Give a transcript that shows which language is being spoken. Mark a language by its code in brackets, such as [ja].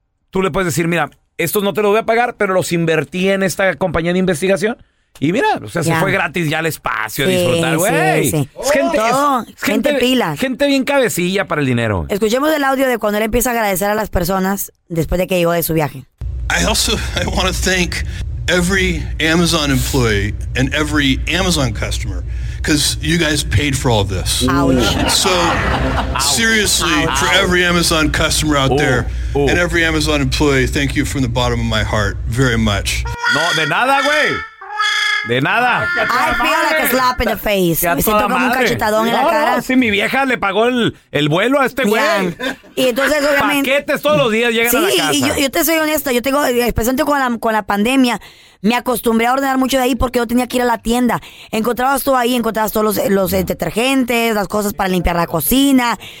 [es] Tú le puedes decir, mira, estos no te los voy a pagar, pero los invertí en esta compañía de investigación. Y mira, o sea, se fue gratis ya al espacio a disfrutar, güey. Sí. Gente pila. Gente bien cabecilla para el dinero. Escuchemos el audio de cuando él empieza a agradecer a las personas después de que llegó de su viaje. [en] I want to thank every Amazon employee and every Amazon customer, because you guys paid for all of this. Ouch. So, ouch. Seriously, ouch. For every Amazon customer out there, and every Amazon employee, thank you from the bottom of my heart very much. [es] No, de nada, güey. De nada. [en] I feel like a slap in the face. [es] Me siento como un cachetadón en la cara. No, si mi vieja le pagó el vuelo a este güey. Y entonces, obviamente... Paquetes todos los días llegan a la casa. Sí, y yo te soy honesta. Yo tengo, especialmente con la pandemia, me acostumbré a ordenar mucho de ahí porque yo tenía que ir a la tienda. Encontrabas todo ahí, encontrabas todos los detergentes, las cosas para limpiar la cocina.